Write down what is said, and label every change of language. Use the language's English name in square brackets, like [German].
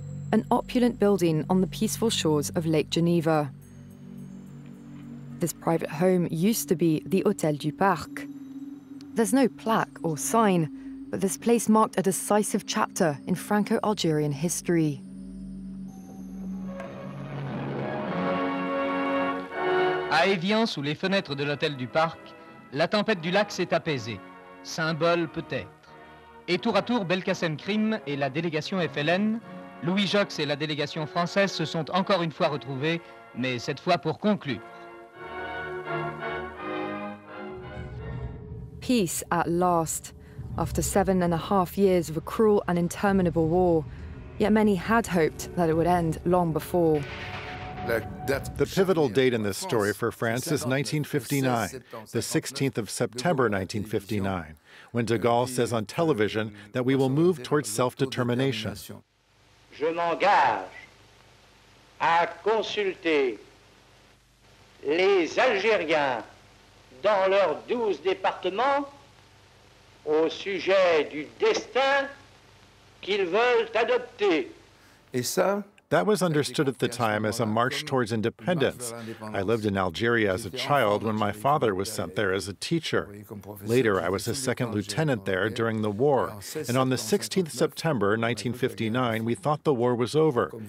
[English] An opulent building on the peaceful shores of Lake Geneva. This private home used to be the Hôtel du Parc. There's no plaque or sign, but this place marked a decisive chapter in Franco-Algerian history. [French] À Évian, sous les fenêtres de l'Hôtel du Parc, la tempête du lac s'est apaisée, symbole peut-être. Et tour à tour, Belkacem Krim et la délégation FLN, Louis Jox et la délégation française se sont encore une fois retrouvés, mais cette fois pour conclure. [English] Peace at last, after 7.5 years of a cruel and interminable war. Yet many had hoped that it would end long before. The pivotal date in this story for France is 1959, the 16th of September 1959, when de Gaulle says on television that we will move towards self-determination. [French] Je m'engage à consulter les Algériens dans leurs 12 départements au sujet du destin qu'ils veulent adopter. Et ça? [English] That was understood at the time as a march towards independence. I lived in Algeria as a child when my father was sent there as a teacher. Later, I was a second lieutenant there during the war. And on the 16th September 1959, we thought the war was over.